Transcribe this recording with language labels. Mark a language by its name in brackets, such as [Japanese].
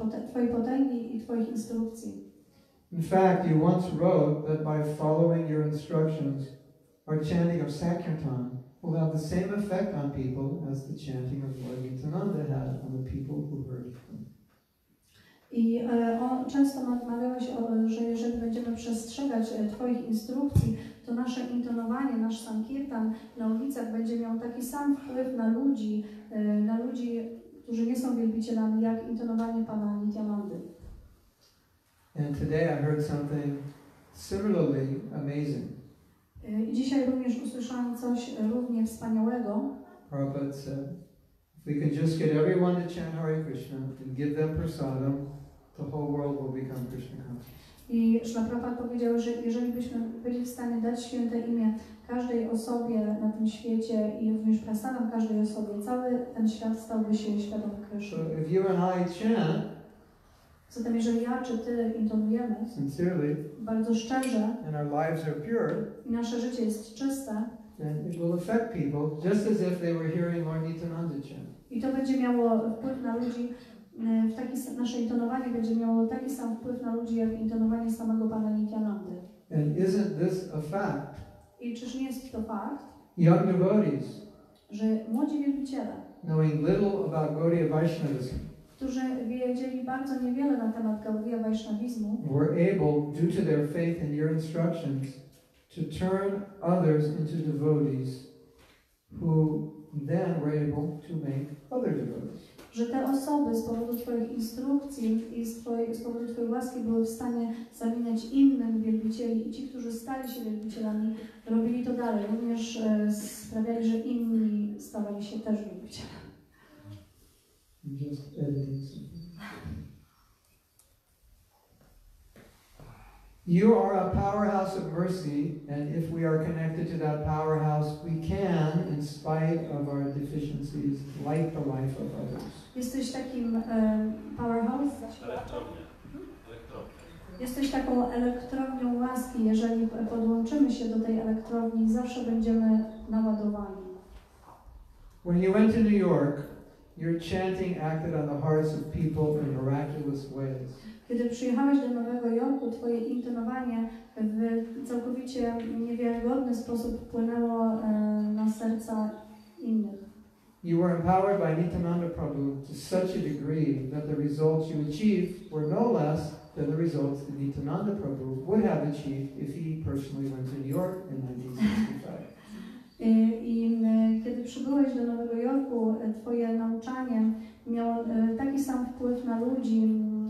[Polish] Twojej potęgi i Twoich instrukcji. [English] In fact, you once wrote that by following your instructions, our chanting of Sankirtan will have the same effect on people as the chanting of Lord Nityananda had on the people who heard it. [Polish] I często nadmawiałeś, że jeżeli będziemy przestrzegać Twoich instrukcji, to nasze intonowanie, nasz sankirtan na ulicach będzie miał taki sam wpływ na ludzi, którzy nie są wielbicielami, jak intonowanie Pana Nityanandy. [English] And today I heard something similarly amazing. [Polish] I dzisiaj również usłyszałem coś równie wspaniałego. [English] Prabhupada said, if we can just get everyone to chant Hare Krishna and give them prasadam, the whole world will become Krishna conscious. [Polish] I Śla Prabhupada powiedział, że jeżeli byśmy byli w stanie dać święte imię każdej osobie na tym świecie i również prasadam każdej osobie, cały ten świat stałby się świadom Krishna. [English] So if you and I chant, [Polish] zatem jeżeli ja czy ty intonujemy [English] sincerely, [Polish] bardzo szczerze, [English] and our lives are pure, [Polish] i nasze życie jest czyste, [English] it will affect people just as if they were hearing Lord Nityananda chant. [Polish] I to będzie miało wpływ na ludzi, w taki nasze intonowanie będzie miało taki sam wpływ na ludzi, jak intonowanie samego Pana Nityanandy. [English] And isn't this a fact? [Polish] I czyż nie jest to fakt? [English] Young devotees, [Polish] że młodzi wielbiciele, [English] knowing little about Gaudiya Vaishnavism, [Polish] którzy wiedzieli bardzo niewiele na temat Gaudiya Vaishnavizmu, [English] were able, due to their faith in your instructions, to turn others into devotees who then were able to make other devotees. [Polish] Że te osoby z powodu Twoich instrukcji i z powodu Twojej łaski były w stanie zamieniać innych wielbicieli i ci, którzy stali się wielbicielami, robili to dalej. Również sprawiali, że inni stawali się też wielbicielami. [English] Just editing something. You are a powerhouse of mercy, and if we are connected to that powerhouse, we can, in spite of our deficiencies, light the life of others. [Polish] Jesteś takim powerhouse? Elektrownia. Jesteś taką elektrownią łaski. Jeżeli podłączymy się do tej elektrowni, zawsze będziemy naładowani. [English] When you went to New York, your chanting acted on the hearts of people in miraculous ways. [Polish] Kiedy przyjechałeś do Nowego Jorku, twoje intonowanie w całkowicie niewiarygodny sposób wpłynęło na serca innych. [English] You were empowered by Nityananda Prabhu to such a degree that the results you achieved were no less than the results that Nityananda Prabhu would have achieved if he personally went to New York in 1965. [Polish] I kiedy przybyłeś do Nowego Jorku, twoje nauczanie miało taki sam wpływ na ludzi.